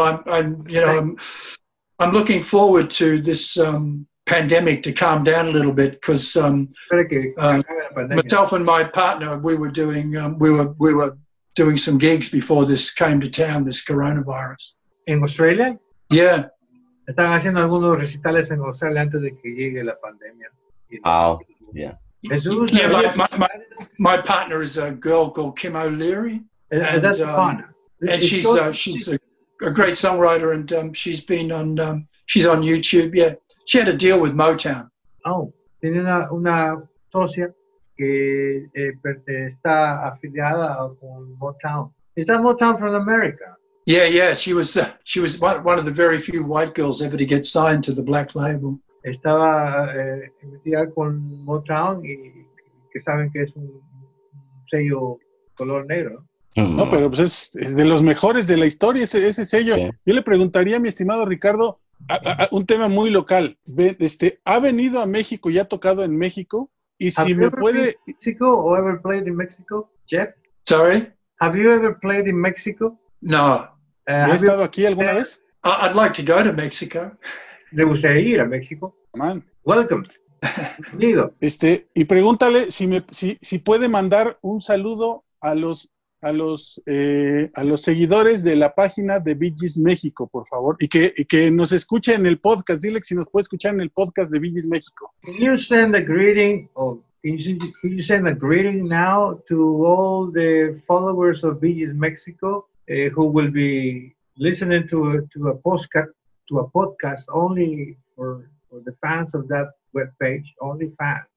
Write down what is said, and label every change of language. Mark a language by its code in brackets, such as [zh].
[en] I'm looking forward to this pandemic to calm down a little bit because myself and my partner we were doing some gigs before this came to town, this coronavirus. In Australia? Yeah. [es] Están haciendo algunos recitales en Australia antes de que llegue la pandemia. [en] Wow. Yeah. Yeah, my partner is a girl called Kim O'Leary. That's fun. And she's a great songwriter and she's been on she's on YouTube, yeah. She had a deal with Motown. [es] Oh, tiene una socia que está afiliada con Motown. [en] Is that Motown from America? Yeah, yeah. She was one of the very few white girls ever to get signed to the black label. [es] Estaba afiliada con Motown y que saben que es un sello color negro. No, pero pues es de los mejores de la historia ese sello. Yeah. Yo le preguntaría a mi estimado Ricardo. Un tema muy local. ¿Ha venido a México y ha tocado en México? Y si me puede. [en] Mexico or ever played in Mexico, Jeff? Sorry. Have you ever played in Mexico? No. [es] ¿Has estado aquí alguna vez? [en] I'd like to go to Mexico. [es] ¿Le gustaría ir a México? [en] Man. Welcome. [es] Bienvenido. Y pregúntale si puede mandar un saludo a los seguidores de la página de Bee Gees México, por favor, y que nos escuche en el podcast. Dile que si nos puede escuchar en el podcast de Bee Gees México. [en] Can you send a greeting? Can you send a greeting now to all the followers of Bee Gees México who will be listening to a podcast to a podcast only for the fans of that webpage, only fans.